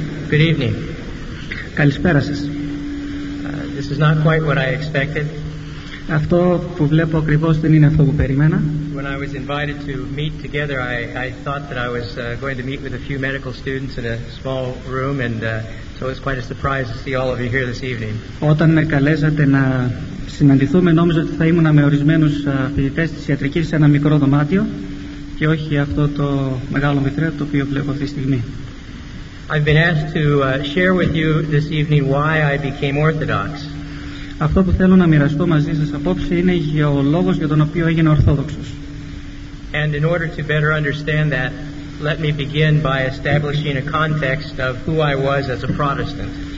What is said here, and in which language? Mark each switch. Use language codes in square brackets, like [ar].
[en] Good evening. [el] Καλησπέρα σας. [en] This is not quite what I expected. [el] Αυτό που βλέπω ακριβώς δεν είναι αυτό που περίμενα. [en] When I was invited to meet together, I thought that I was going to meet with a few medical students in a small room, and so it was quite a surprise to see all of you here this evening. [el] Όταν με καλέσατε να συναντηθούμε, νόμιζα ότι θα ήμουν με ορισμένους φοιτητές της ιατρικής σε ένα μικρό δωμάτιο και όχι αυτό το μεγάλο μητρέο το οποίο βλέπω αυτή τη στιγμή. [en] I've been asked to share with you this evening why I became Orthodox. [el] Αυτό που θέλω να μοιραστώ μαζί σας απόψε είναι για ο λόγος για τον οποίο έγινε Ορθόδοξος. [en] And in order to better understand that, let me begin by establishing a context of who I was as a Protestant.